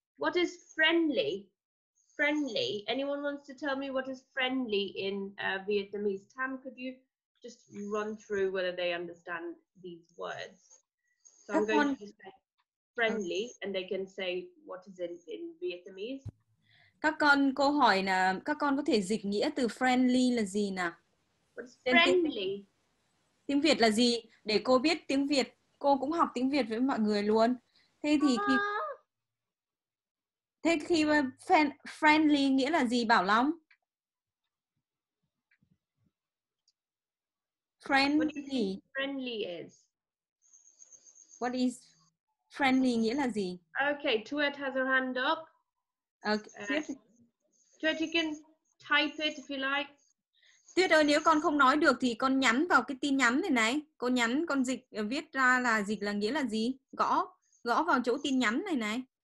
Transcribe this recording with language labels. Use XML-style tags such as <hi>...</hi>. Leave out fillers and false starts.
<en>What is friendly? Friendly. Anyone wants to tell me what is friendly in Vietnamese? Tam, could you just run through whether they understand these words? So I'm going to say friendly and they can say what is in Vietnamese.</en> <vi>Các con cô hỏi là các con có thể dịch nghĩa từ friendly là gì nào?</vi> <en>Friendly.</en> <vi>Tiếng Việt là gì? Để cô biết tiếng Việt, cô cũng học tiếng Việt với mọi người luôn. Thế khi friendly nghĩa là gì Bảo Long?</vi> <en>Friendly. What do you think friendly is? What is</en> <vi>friendly nghĩa là gì?</vi> <en>Okay, Tuet has her hand up. Okay. Tuet, you can type it if you like.</en> <vi>Tuet ơi, nếu con không nói được thì con nhắn vào cái tin nhắn này này. Cô nhắn, con dịch, viết ra là dịch là nghĩa là gì? Gõ vào chỗ tin nhắn này này.</vi>